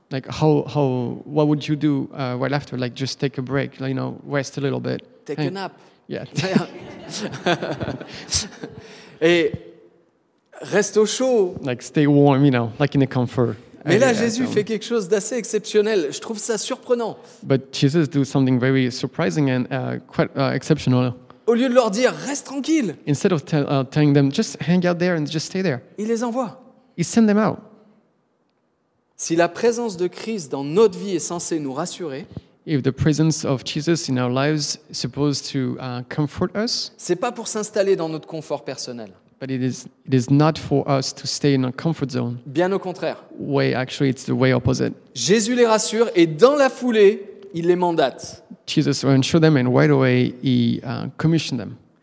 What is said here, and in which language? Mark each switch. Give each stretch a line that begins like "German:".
English: Like how what would you do right after? Like just take a break, like, you know, rest a little bit. Take a nap. Yeah.
French: Et reste au chaud.
English: Like stay warm, you know, like in the comfort.
French: Mais là, Jésus fait quelque chose d'assez exceptionnel. Je trouve ça surprenant.
English: But Jesus do something very surprising and quite exceptional.
French: Au lieu de leur dire reste tranquille.
English: Instead of telling them just hang out there and just stay there.
French: Il les envoie.
English: He send them out.
French: Si la présence de Christ dans notre vie est censée nous rassurer,
English: if the presence of Jesus in our lives is supposed to comfort us,
French: c'est pas pour s'installer dans notre confort personnel.
English: But it is not for us to stay in a comfort zone.
French: Bien au contraire.
English: Way actually it's the way opposite.
French: Jésus les rassure et dans la foulée, il les mandate.
English: Jesus reassured them and right away he commissioned them.